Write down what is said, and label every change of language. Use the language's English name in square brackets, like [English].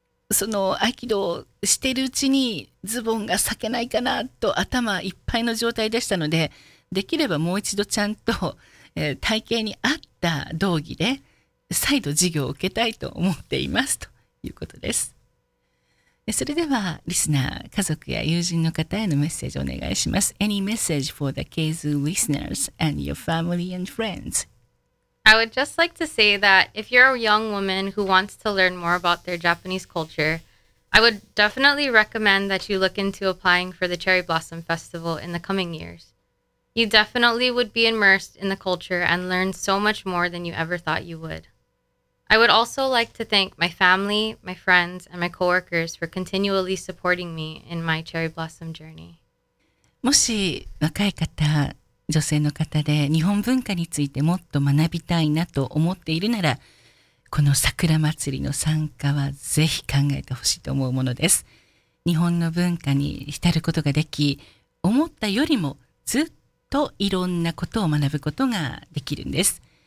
[Japanese] その合気道をしているうちにズボンが裂けないかなと頭いっぱいの状態でしたので、できればもう一度ちゃんと、体型に合った道着で再度授業を受けたいと思っていますということです。それではリスナー、家族や友人の方へのメッセージをお願いします。 [English] Any message for the Keizu listeners and your family and friends? I would just like to say that if you're a young woman who wants to learn more about their Japanese culture, I would definitely recommend that you look into applying for the Cherry Blossom Festival in the coming years. You definitely would be immersed in the culture and learn so much more than you ever thought you would. I would also like to thank my family, my friends, and my coworkers for continually supporting me in my cherry blossom journey. [Japanese] もし若い方、女性の方で日本文化についてもっと学びたいなと思っているなら、この桜祭りの参加はぜひ考えてほしいと思うものです。日本の文化に浸ることができ、思ったよりもずっといろんなことを学ぶことができるんです。